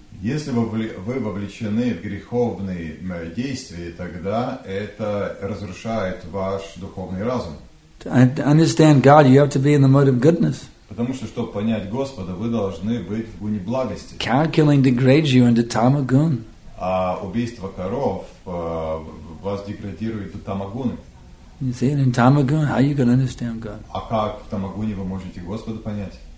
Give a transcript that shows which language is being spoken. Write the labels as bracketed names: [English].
[Russian] Если вы вовлечены в греховные действия, тогда это разрушает ваш духовный разум. [English] To understand God, you have to be in the mode of goodness. [Russian] Потому что, чтобы понять Господа, вы должны быть в гуне благости. [English] Calculating degrades you into tamagun. [Russian] А убийство коров вас деградирует до тамагуны. [English] You see, in tamagun, how you can understand God? [Russian] А как в тамагуне вы можете Господа понять?